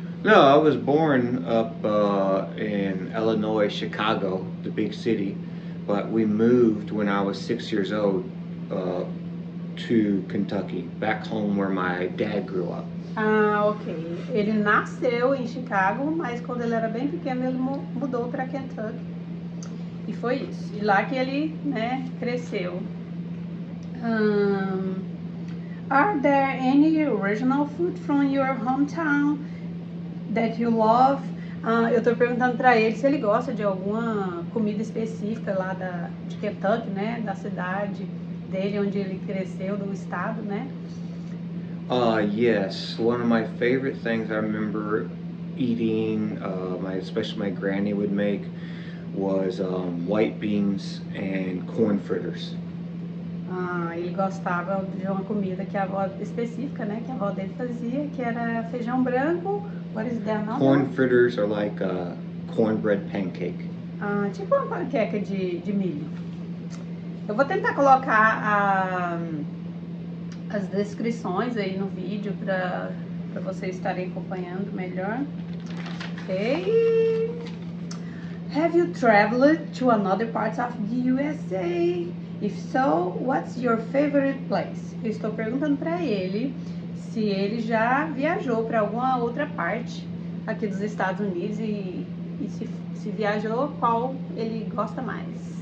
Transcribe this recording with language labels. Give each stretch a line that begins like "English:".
English: No, I was born up in Illinois, Chicago, the big city, but we moved when I was 6 years old to Kentucky, back home where my dad grew up.
Portuguese: Ah, ok. Ele nasceu em Chicago, mas quando ele era bem pequeno, ele mudou para Kentucky. E foi isso. E lá que ele, né, cresceu.
English: Are there any original food from your hometown that you love?
Portuguese: Eu estou perguntando para ele se ele gosta de alguma comida específica lá de Kentucky, né, da cidade dele, onde ele cresceu, do estado, né?
English: Yes, one of my favorite things I remember eating, especially my granny would make, was white beans and corn fritters.
Portuguese: Ah, ele gostava de uma comida que a avó específica, né, que a avó dele fazia, que era feijão branco.
English: What is the Corn another fritters are like a cornbread pancake. one?
Portuguese: Tipo uma panqueca de milho. Eu vou tentar colocar as descrições aí no vídeo para vocês estarem acompanhando melhor. Ok.
English: Have you traveled to another part of the USA? If so, what's your favorite place?
Portuguese: Eu estou perguntando para ele se ele já viajou para alguma outra parte aqui dos Estados Unidos e se viajou, qual ele gosta mais?